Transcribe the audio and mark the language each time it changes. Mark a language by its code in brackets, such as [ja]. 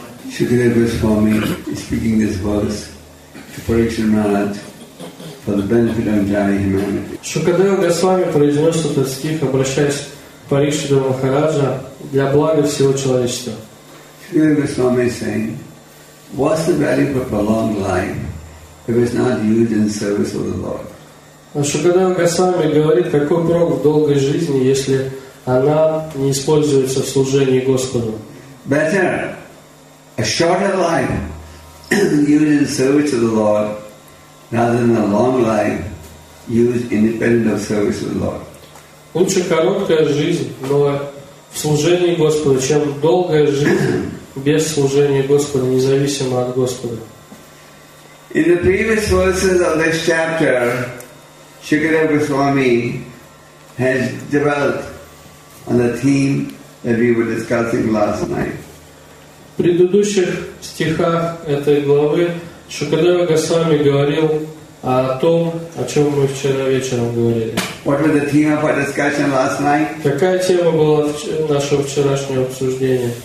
[en] Shukadeva Goswami is speaking this verse to Parikshit Maharaj for the benefit of entire humanity. [ru] Shukadeva Goswami произнес этот стих, обращаясь к Парикшиту Махараджа для блага всего человечества. [en] Śrīla Goswāmī is saying, what's the value of a prolonged life if it's not used in service of the Lord? [ru] Śrīla Goswāmī говорит, какой прок в долгой жизни, если она не используется в служении Господу? [en] Better a shorter life used in service of the Lord rather than a long life used independent of service of the Lord. [ru] Лучше короткая жизнь, но в служении Господу, чем долгая жизнь без служения Господу, независимо от Господа. [en] In the previous verses of this chapter, Shukadeva Goswami has dwelt on the theme that we were discussing last night. [ru] В предыдущих стихах этой главы Шукадева Госвами говорил о том, о чем мы вчера вечером говорили. [en] What was the theme of our discussion last night? [ru] Какая тема была нашего вчерашнего обсуждения?